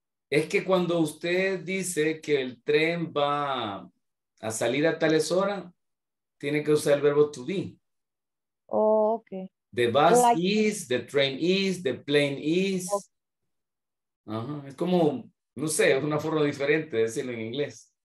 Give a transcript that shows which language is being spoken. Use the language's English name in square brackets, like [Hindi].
[Spanish] Es que cuando usted dice que el tren va a salir a tales horas, tiene que usar el verbo to be. [English] Oh, okay. The bus is, the train is, the plane is. Uh-huh. [Spanish] Es como, no sé, es una forma diferente de decirlo en inglés.